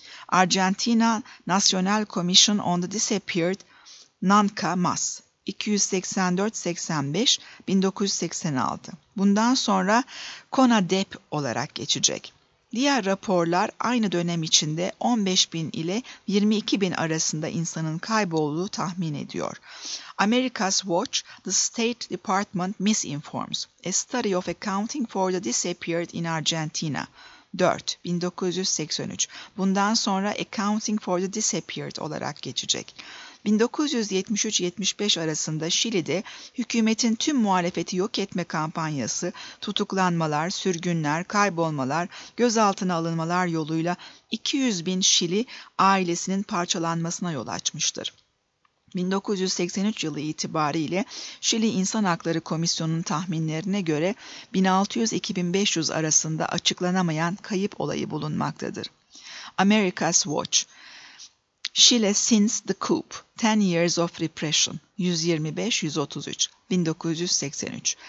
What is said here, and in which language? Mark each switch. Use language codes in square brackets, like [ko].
[en] Argentina Nacional Commission on the Disappeared Nanka Mas 284-85 1986. [tr] Bundan sonra CONADEP olarak geçecek. Diğer raporlar aynı dönem içinde 15.000 ile 22.000 arasında insanın kaybolduğu tahmin ediyor. [en] America's Watch, the State Department misinforms. A study of accounting for the disappeared in Argentina. [tr] 4. 1983. Bundan sonra Accounting for the Disappeared olarak geçecek. 1973-75 arasında Şili'de hükümetin tüm muhalefeti yok etme kampanyası, tutuklanmalar, sürgünler, kaybolmalar, gözaltına alınmalar yoluyla 200 bin Şili ailesinin parçalanmasına yol açmıştır. 1983 yılı itibariyle Şili İnsan Hakları Komisyonu'nun tahminlerine göre 1600-2500 arasında açıklanamayan kayıp olayı bulunmaktadır. [en] America's Watch Chile since the coup, 10 years of repression, 125-133, 1983.